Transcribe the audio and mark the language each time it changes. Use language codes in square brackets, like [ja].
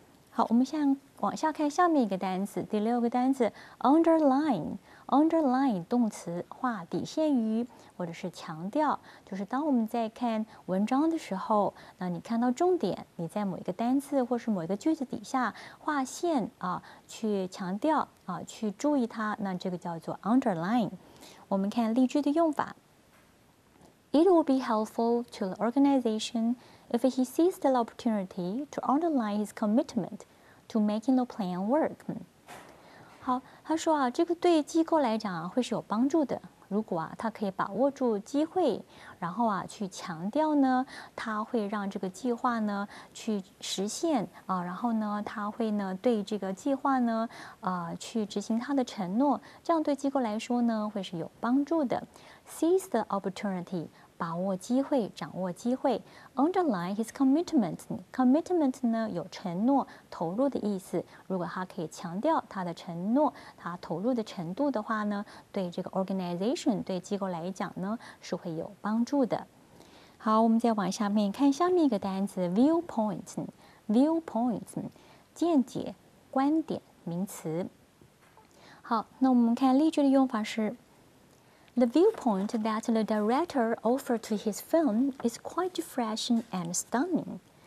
[zh] 好，我们先往下看下面一个单词，第六个单词 underline 动词，画底线于或者是强调，就是当我们在看文章的时候，那你看到重点，你在某一个单词或是某一个句子底下画线啊，去强调啊，去注意它，那这个叫做 underline。 [en] 我们看例句的用法， It will be helpful to the organization if he sees the opportunity to underline his commitmentTo making the plan work. [zh] 好，他说啊，这个对机构来讲啊，会是有帮助的。如果啊，他可以把握住机会，然后啊，去强调呢，他会让这个计划呢去实现啊，然后呢，他会呢对这个计划呢去执行他的承诺，这样对机构来说呢，会是有帮助的。 [en] Seize the opportunity. [zh] 把握机会，掌握机会。 [en] Underline his commitment. [zh] Commitment 呢有承诺、投入的意思。如果他可以强调他的承诺、他投入的程度的话呢，对这个 organization 对机构来讲呢是会有帮助的。好，我们再往下面看下面一个单词 viewpoint. Viewpoint 见解、观点、名词。好，那我们看例句的用法是。 [en] The viewpoint that the director offered to his film is quite fresh and stunning.